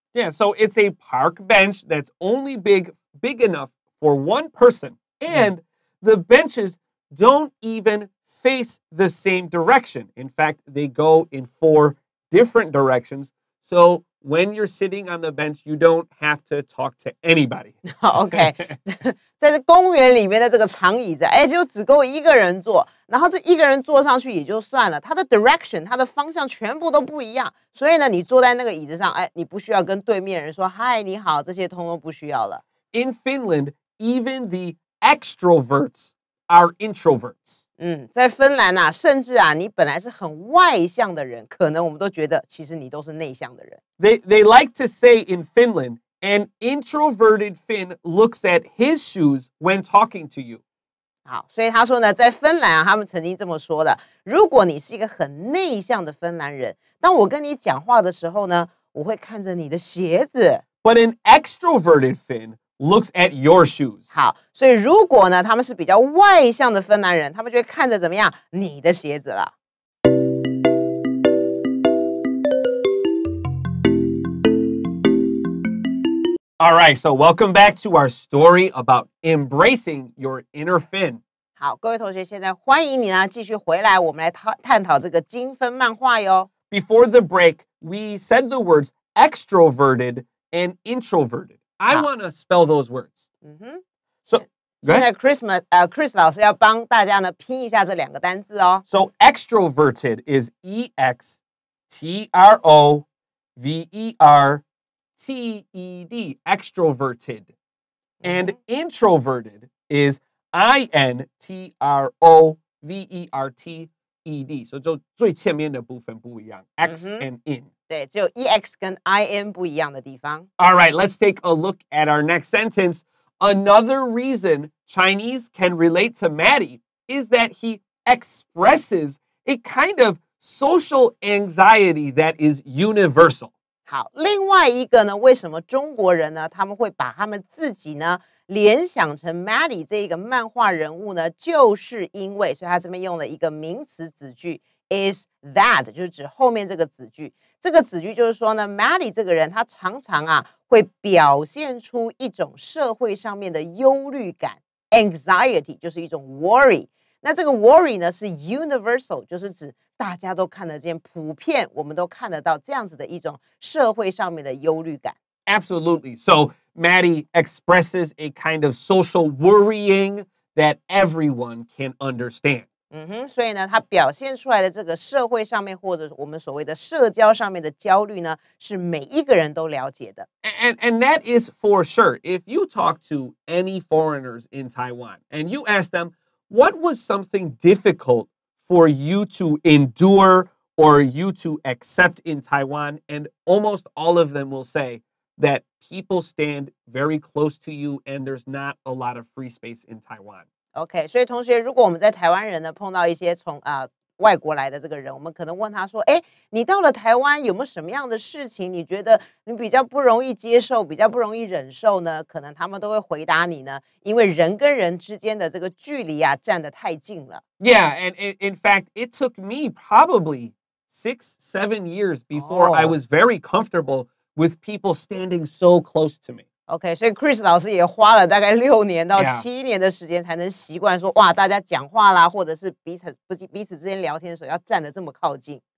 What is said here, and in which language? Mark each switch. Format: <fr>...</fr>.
<en>Yeah, so it's a park bench that's only big enough for one person, and the benches don't even face the same direction. In fact, they go in four different directions. So when you're sitting on the bench, you don't have to talk to anybody. Okay.</en> <zh>在这公园里面的这个长椅子，哎，就只够一个人坐。然后这一个人坐上去也就算了，它的 direction， 它的方向全部都不一样。所以呢，你坐在那个椅子上，哎，你不需要跟对面人说嗨，你好，这些通通不需要了。</zh> <en>In Finland, even the extroverts are introverts.</en> <zh>在芬兰啊，甚至啊，你本来是很外向的人，可能我们都觉得其实你都是内向的人。</zh> <en>They like to say in Finland, an introverted Finn looks at his shoes when talking to you.</en> <zh>好，所以他说呢，在芬兰啊，他们曾经这么说的：如果你是一个很内向的芬兰人，当我跟你讲话的时候呢，我会看着你的鞋子。</zh> <en>But an extroverted Finn. Looks at your shoes.</en> <zh>好，所以如果呢，他们是比较外向的芬兰人，他们就会看着怎么样，你的鞋子了。</zh> <en>All right, so welcome back to our story about embracing your inner Finn.</en> <zh>好，各位同学，现在欢迎你呢，继续回来，我们来探讨这个精分漫画哟。</zh> <en>Before the break, we said the words extroverted and introverted. I want to spell those words. Mm-hmm. So, go ahead.</en> <zh>现在 Chris 老师要帮大家呢拼一下这两个单字哦。</zh> <en>So, extroverted is E-X-T-R-O-V-E-R-T-E-D. Extroverted. And introverted is I-N-T-R-O-V-E-R-T-E-D.</en> <zh>So, 就最前面的部分不一样。</zh> <en>X and in.</en> <zh>对，只有 EX 跟 IN 不一样的地方。</zh> <en>All right, let's take a look at our next sentence. Another reason Chinese can relate to Maddie is that he expresses a kind of social anxiety that is universal.</en> <zh>好，另外一个呢，为什么中国人呢，他们会把他们自己呢联想成 Maddie 这个漫画人物呢，就是因为，所以他这边用了一个名词子句 is that， 就是指后面这个子句。这个子句就是说呢 ，Maddie 这个人他常常啊会表现出一种社会上面的忧虑感 ，anxiety 就是一种 worry。那这个 worry 呢是 universal， 就是指大家都看得见，普遍我们都看得到这样子的一种社会上面的忧虑感。</zh> <en>Absolutely. So Maddie expresses a kind of social worrying that everyone can understand.</en> <zh>嗯哼，所以呢，他表现出来的这个社会上面或者我们所谓的社交上面的焦虑呢，是每一个人都了解的。</zh> <en>And that is for sure. If you talk to any foreigners in Taiwan and you ask them, what was something difficult for you to endure or you to accept in Taiwan? And almost all of them will say,that people stand very close to you and there's not a lot of free space in Taiwan.</en> <zh>Okay, 所以同学，如果我们在台湾人呢碰到一些从外国来的这个人，我们可能问他说，诶，你到了台湾有没有什么样的事情你觉得你比较不容易接受，比较不容易忍受呢？可能他们都会回答你呢，因为人跟人之间的这个距离啊站得太近了。</zh> <en>Yeah, and in fact, it took me probably 6-7 years before I was very comfortable with people standing so close to me.</en> <zh>Okay, so Chris 老师也花了大概6-7年的时间才能习惯说哇大家讲话啦或者是彼此之间聊天的时候要站得这么靠近。</zh>